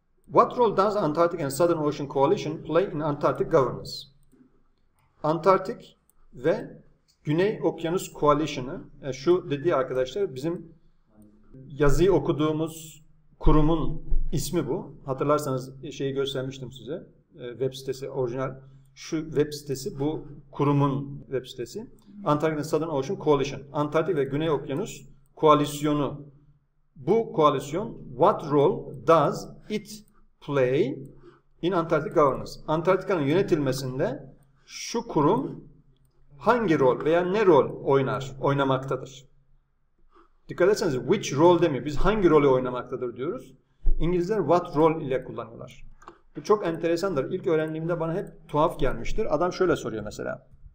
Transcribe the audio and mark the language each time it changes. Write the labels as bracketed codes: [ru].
[en] What role does Antarctic and Southern Ocean Coalition play in Antarctic governance? [tr] Antarktik ve Güney Okyanus Koalisyonu, şu dediği arkadaşlar, bizim yazıyı okuduğumuz kurumun ismi bu. Hatırlarsanız şeyi göstermiştim size, web sitesi, orijinal şu web sitesi, bu kurumun web sitesi. [en] Antarktik and Southern Ocean Coalition, [tr] Antarktik ve Güney Okyanus Koalisyonu. Bu koalisyon, [en] what role does it play in Antarctic governance? [tr] Antarktika'nın yönetilmesinde şu kurum hangi rol veya ne rol oynar, oynamaktadır? Dikkat ederseniz [en] which role [tr] demiyor. Biz hangi rolü oynamaktadır diyoruz. İngilizler [en] what role [tr] ile kullanıyorlar. Bu çok enteresandır. İlk öğrendiğimde bana hep tuhaf gelmiştir. Adam şöyle soruyor mesela.